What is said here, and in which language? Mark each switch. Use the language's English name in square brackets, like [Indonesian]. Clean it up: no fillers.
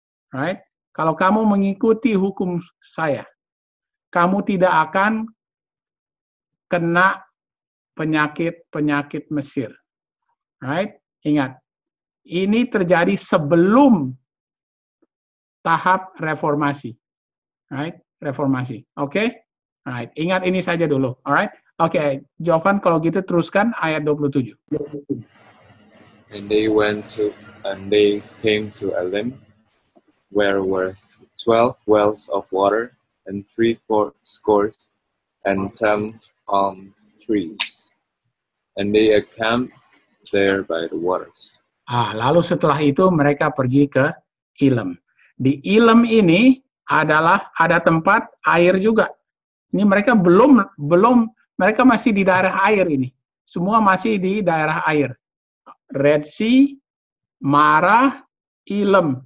[English] Right? [Indonesian] Kalau kamu mengikuti hukum saya, kamu tidak akan kena penyakit-penyakit Mesir. Right? Ingat. Ini terjadi sebelum tahap reformasi. [English] Right? [Indonesian] Reformasi. Oke? Okay? [English] Alright, [Indonesian] ingat ini saja dulu. [English] Alright, [Indonesian] oke, okay. Jovan, kalau gitu teruskan ayat 27. [English] And they went to, and they came to Elim, where were 12 wells of water and 3 scores and 10 palm trees, and they encamped there by the waters. [Indonesian] Ah, lalu setelah itu mereka pergi ke Elim. Di Elim ini adalah ada tempat air juga. Ini mereka belum mereka masih di daerah air ini. Semua masih di daerah air. Red Sea, Marah, Elim.